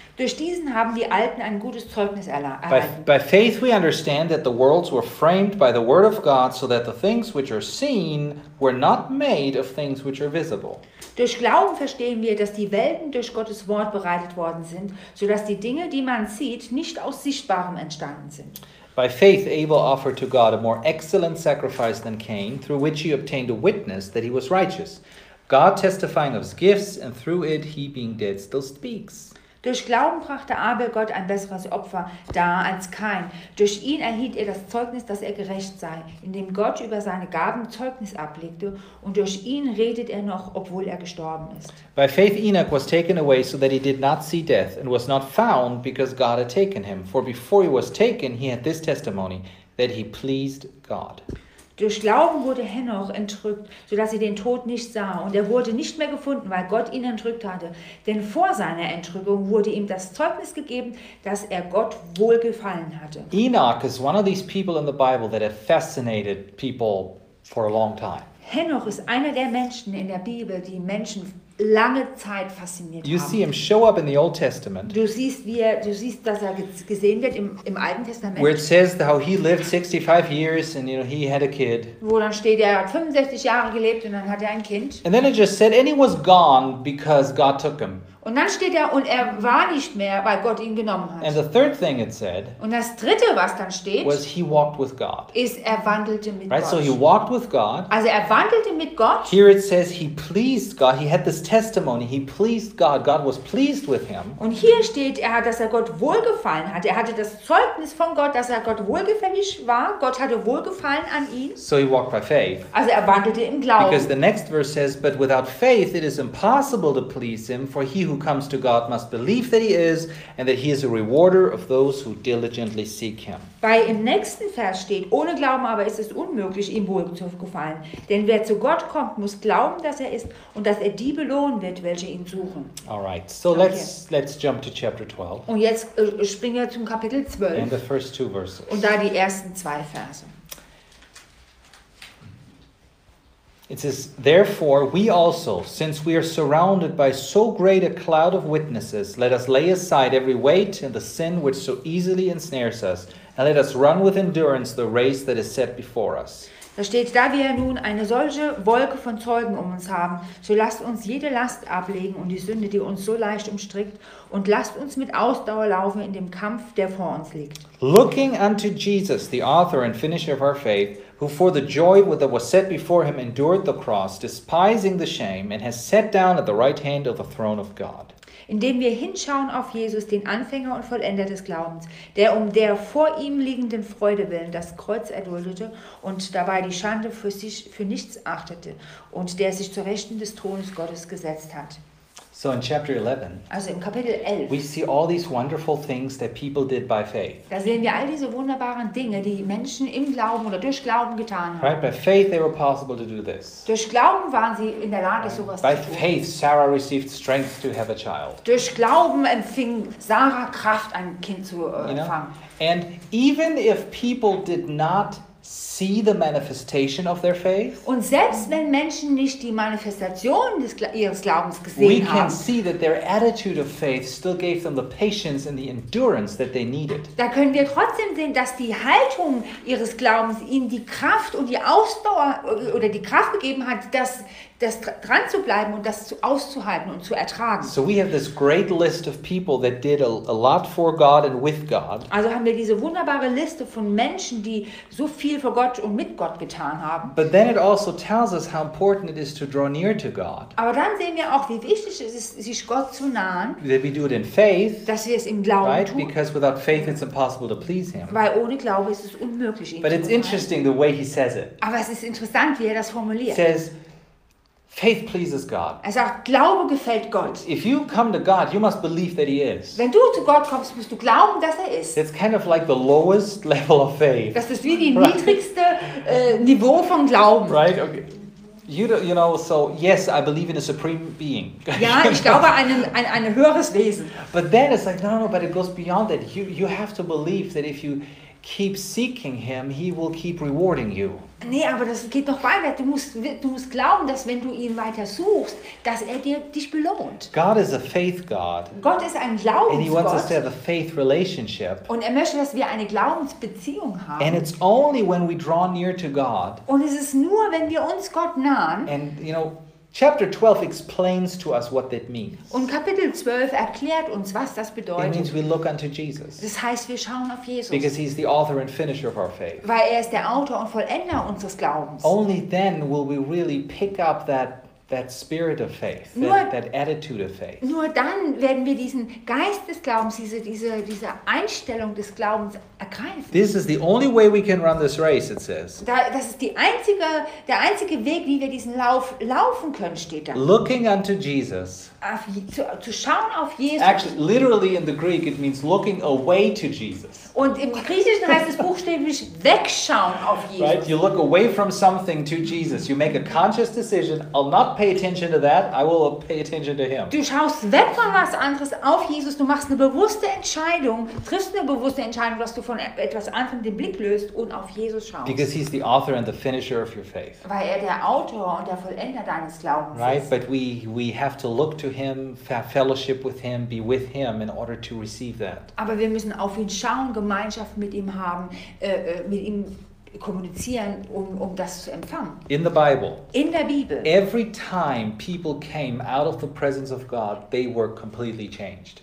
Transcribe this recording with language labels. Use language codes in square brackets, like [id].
[de] Durch diesen haben die Alten ein gutes Zeugnis erhalten. [en] By faith we understand that the worlds were framed by the word of God, so that the things which are seen were not made of things which are visible. [de] Durch Glauben verstehen wir, dass die Welten durch Gottes Wort bereitet worden sind, so dass die Dinge, die man sieht, nicht aus Sichtbarem entstanden sind. [en] By faith Abel offered to God a more excellent sacrifice than Cain, through which he obtained a witness that he was righteous. God testifying of his gifts, and through it he being dead still speaks. [de] Durch Glauben brachte Abel Gott ein besseres Opfer dar als Kain. Durch ihn erhielt er das Zeugnis, dass er gerecht sei, indem Gott über seine Gaben Zeugnis ablegte, und durch ihn redet er noch, obwohl er gestorben ist. [en] By faith Enoch was taken away, so that he did not see death, and was not found, because God had taken him. For before he was taken, he had this testimony, that he pleased God. [de] Durch Glauben wurde Henoch entrückt, so dass er den Tod nicht sah, und er wurde nicht mehr gefunden, weil Gott ihn entrückt hatte. Denn vor seiner Entrückung wurde ihm das Zeugnis gegeben, dass er Gott wohlgefallen hatte. [en] Enoch is one of these people in the Bible that have fascinated people for a long time. [de] Henoch ist einer der Menschen in der Bibel, die Menschen lange Zeit fasziniert [en] you [de] haben. [en] See him show up in the Old Testament. [de] Du siehst, dass er gesehen wird im Alten Testament. [en] Where it says how he lived 65 years and you know he had a kid. [de] Wo dann steht, er hat 65 Jahre gelebt und dann hat er ein Kind. [en] And then it just said, and he was gone because God took him. [de] Und dann steht er und er war nicht mehr, weil Gott ihn genommen hat. [en] And the third thing it said. [de] Und das dritte, was dann steht, [en] was he walked with God. [de] Ist er wandelte mit [en] right? [de] Gott. [en] Right, so he walked with God. [de] Also er wandelte mit Gott. [en] Here it says he pleased God. He had this testimony. He pleased God. God was pleased with him. [de] Und hier steht, dass er Gott wohlgefallen hat. Er hatte das Zeugnis von Gott, dass er Gott wohlgefällig war. Gott hatte wohlgefallen an ihn. [en] So he walked by faith. [de] Also er wandelte im Glauben. [en] Because the next verse says, but without faith it is impossible to please him, for he who comes to God must believe that he is and that he is a rewarder of those who diligently seek him. [de] Weil im nächsten Vers steht, ohne Glauben aber ist es unmöglich, ihm wohlgefallen. Denn wer zu Gott kommt, muss glauben, dass er ist und dass er die belohnen wird, welche ihn suchen. [en] All right, so okay. let's jump to chapter 12. [de] Und jetzt springen wir zum Kapitel 12. [en] And the first 2 verses. [de] Und da die ersten 2 Verse. [en] It says, therefore, we also, since we are surrounded by so great a cloud of witnesses, let us lay aside every weight and the sin which so easily ensnares us, and let us run with endurance the race that is set before us. [de] Da steht, da wir nun eine solche Wolke von Zeugen um uns haben, so lasst uns jede Last ablegen und die Sünde, die uns so leicht umstrickt, und lasst uns mit Ausdauer laufen in dem Kampf, der vor uns liegt. [en] Looking unto Jesus, the author and finisher of our faith, who for the joy that was set before him endured the cross, despising the shame, and has sat down at the right hand of the throne of God. [de] Indem wir hinschauen auf Jesus, den Anfänger und Vollender des Glaubens, der um der vor ihm liegenden Freude willen das Kreuz erduldete und dabei die Schande für sich für nichts achtete und der sich zur Rechten des Thrones Gottes gesetzt hat. [en] So in chapter 11, [de] also im Kapitel 11, [en] we see all these wonderful things that people did by faith. [de] Da sehen wir all diese wunderbaren Dinge, die Menschen im Glauben oder durch Glauben getan haben. [en] Right, by faith they were possible to do this. [de] Durch Glauben waren sie in der Lage, right. sowas [en] by [de] zu tun. [en] By faith Sarah received strength to have a child. [de] Durch Glauben empfing Sarah Kraft, ein Kind zu empfangen. [en] You know? And even if people did not see the manifestation of their faith. [de] Und selbst wenn Menschen nicht die Manifestation des ihres Glaubens gesehen haben, [en] we can [de] haben, [en] see that their attitude of faith still gave them the patience and the endurance that they needed. [de] Da können wir trotzdem sehen, dass die Haltung ihres Glaubens ihnen die Kraft und die Ausdauer oder die Kraft gegeben hat, das dran zu bleiben und das auszuhalten und zu ertragen. [en] So we have this great list of people that did a lot for God and with God. [de] Also haben wir diese wunderbare Liste von Menschen, die so viel für Gott und mit Gott getan haben. [en] But then it also tells us how important it is to draw near to God. [de] Aber dann sehen wir auch, wie wichtig es ist, sich Gott zu nahen. [en] That we do it in faith. [de] Dass wir es im Glauben [en] right? [de] tun. [en] Because without faith it's impossible to please him. [de] Weil ohne Glaube ist es unmöglich, ihn [en] But [de] zu [en] it's interesting the way he says it. [de] Aber es ist interessant, wie er das formuliert. [en] He says, faith pleases God. [de] Er sagt, Glaube gefällt Gott. [en] If you come to God, you must believe that he is. [de] Wenn du zu Gott kommst, musst du glauben, dass er ist. [en] It's kind of like the lowest level of faith. [de] Das ist wie die right. niedrigste Niveau von Glauben. [en] Right, okay. You know, so yes, I believe in a supreme being. [de] Ja, ich glaube ein höheres Wesen. [en] But then it's like, no, but it goes beyond that. You have to believe that if you keep seeking him, he will keep rewarding you. [de] Nee, aber das geht doch weiter. Du musst glauben, dass wenn du ihn weiter suchst, dass er dich belohnt. [en] God is a faith God. [de] Gott ist ein Glaubensgott. [en] And he wants us to have a faith relationship. [de] Und er möchte, dass wir eine Glaubensbeziehung haben. [en] And it's only when we draw near to God. [de] Und es ist nur, wenn wir uns Gott nahen. [en] And you know, chapter 12 explains to us what that means. [de] Und Kapitel 12 erklärt uns, was das bedeutet. [en] It means we look unto Jesus. [de] Das heißt, wir schauen auf Jesus. [en] Because he's the author and finisher of our faith. [de] Weil er ist der Autor und Vollender unseres Glaubens. [en] Only then will we really pick up that spirit of faith, that attitude of faith. [de] Nur dann werden wir diesen Geist des Glaubens, diese Einstellung des Glaubens ergreifen. [en] This is the only way we can run this race, it says. [de] Das ist der einzige Weg, wie wir diesen Lauf laufen können, steht da. [en] Looking unto Jesus. [de] Zu schauen auf Jesus. [en] Actually, literally in the Greek, it means looking away to Jesus. [de] Und im Griechischen heißt es buchstäblich wegschauen auf Jesus. [en] Right, you look away from something to Jesus. You make a conscious decision. I'll not pay attention to that. I will pay attention to him. [de] Du schaust weg von was anderes auf Jesus. Du machst eine bewusste Entscheidung, triffst eine bewusste Entscheidung, dass du von etwas anderem den Blick löst und auf Jesus schaust. [en] Because he's the author and the finisher of your faith. [de] Weil er der Autor und der Vollender deines Glaubens [en] right? [de] ist. [en] But we have to look to him, fellowship with him, be with him in order to receive that. [de] Aber wir müssen auf ihn schauen, Gemeinschaft mit ihm haben, mit ihm kommunizieren, um das zu empfangen. [en] In the Bible. [de] In der Bibel. [en] Every time people came out of the presence of God, they were completely changed.